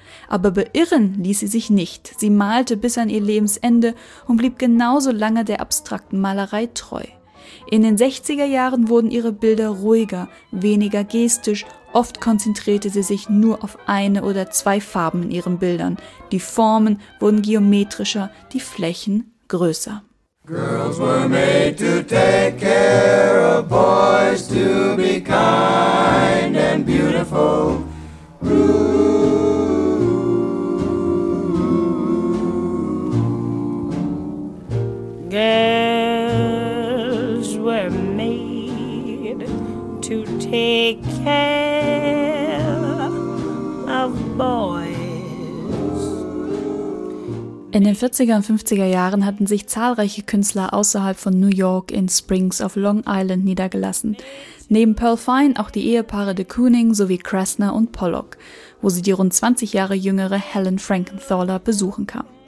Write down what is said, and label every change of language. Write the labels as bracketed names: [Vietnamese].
[German] Aber beirren ließ sie sich nicht. Sie malte bis an ihr Lebensende und blieb genauso lange der abstrakten Malerei treu. In den 60er Jahren wurden ihre Bilder ruhiger, weniger gestisch, oft konzentrierte sie sich nur auf eine oder zwei Farben in ihren Bildern. Die Formen wurden geometrischer, die Flächen größer. [English] Girls were made to take care of boys, to be kind and beautiful. Girls were made to take care of boys. [German] In den 40er und 50er Jahren hatten sich zahlreiche Künstler außerhalb von New York in Springs auf Long Island niedergelassen. Neben Pearl Fine auch die Ehepaare de Kooning sowie Krasner und Pollock, wo sie die rund 20 Jahre jüngere Helen Frankenthaler besuchen kam.